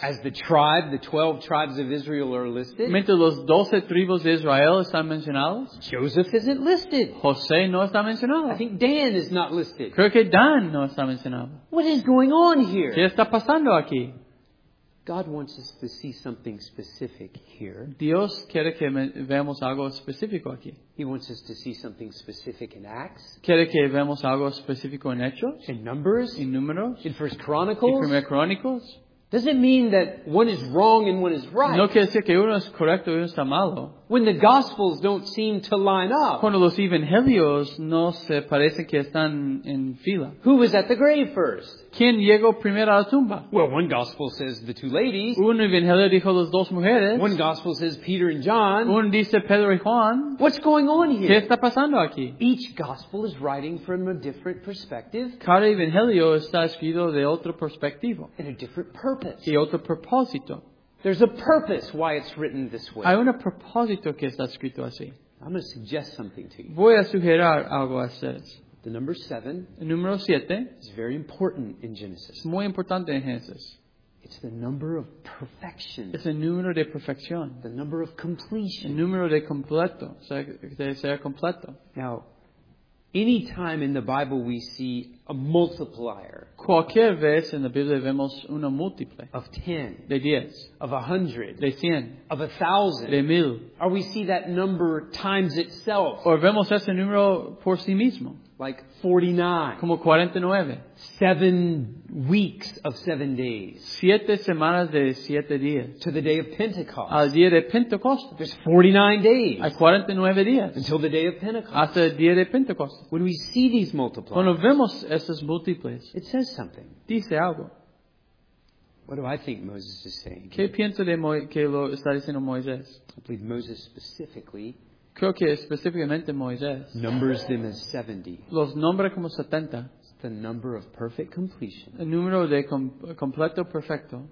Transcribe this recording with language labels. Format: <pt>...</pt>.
<en>As the tribe, the 12 tribes of Israel are listed,</en> <es>mientras los 12 tribus de Israel están mencionados,</es> <en>Joseph isn't listed.</en> <es>José no está mencionado.</es> <en>I think Dan is not listed.</en> <es>Creo que Dan no está mencionado.</es> <en>What is going on here?</en> <es>¿Qué está pasando aquí?</es> <en>God wants us to see something specific here.</en> <es>Dios quiere que veamos algo específico aquí.</es> <en>He wants us to see something specific in Acts.</en> <es>Quiere que veamos algo específico en Hechos.</es> <en>In Numbers.</en> <es>En Números.</es> <en>In First Chronicles.</en> <es>En Primer Chronicles.</es> <en>Does it mean that one is wrong and one is right?</en> <es>No quiere decir que uno es correcto y uno está malo.</es> <en>When the Gospels don't seem to line up.</en> <es>Cuando los Evangelios no se parecen que están en fila.</es> <en>Who was at the grave first?</en> <es>¿Quién llegó primero a la tumba?</es> <en>Well, one Gospel says the two ladies.</en> <es>Un Evangelio dijo las dos mujeres.</es> <en>One Gospel says Peter and John.</en> <es>Uno dice Pedro y Juan.</es> <en>What's going on here?</en> <es>¿Qué está pasando aquí?</es> <en>Each Gospel is writing from a different perspective.</en> <es>Cada Evangelio está escrito de otro perspectivo.</es> <en>And a different purpose.</en> <es>Y otro propósito.</es> <en>There's a purpose why it's written this way.</en> <es>Hay un propósito que está escrito así.</es> <en>I'm going to suggest something to you.</en> <es>Voy a sugerir algo a ustedes.</es> <en>The number 7.</en> <es>El número 7</es> <en>is very important in Genesis.</en> <es>Muy importante en Génesis.</es> <en>It's the number of purpose. perfection.</en> <es>Es el número de perfección.</es> <en>The number of completion.</en> <es>El número de completo. Ser completo.</es> <en>Now, any time in the Bible we see a multiplier.</en> <es>Cualquier vez en la Biblia vemos una múltiple.</es> <en>Of 10.</en> <es>De 10.</es> <en>Of 100.</en> <es>De 100.</es> <en>Of 1,000.</en> <es>De 1,000.</es> <en>Or we see that number times itself.</en> <es>O vemos ese número por sí mismo.</es> <en>Like 49.</en> <es>Como 49.</es> <en>7 weeks of 7 days.</en> <es>7 semanas de 7 días.</es> <en>To the day of Pentecost.</en> <es>Al día de Pentecostés.</es> <en>There's 49 days.</en> <es>Hay 49 días.</es> <en>Until the day of Pentecost.</en> <es>Hasta el día de Pentecostés.</es> <en>When we see these multiples.</en> <es>Cuando vemos esos múltiples.</es> <en>It says something.</en> <es>Dice algo.</es> <en>What do I think Moses is saying?</en> <es>¿Qué piensa de que lo está diciendo Moisés?</es> <en>I believe Moses specifically.</en> <es>Creo que específicamente Moisés.</es> <en>Numbers them as 70.</en> <es>Los nombra como 70.</es> <en>It's the number of perfect completion.</en> <es>El número de completo perfecto.</es>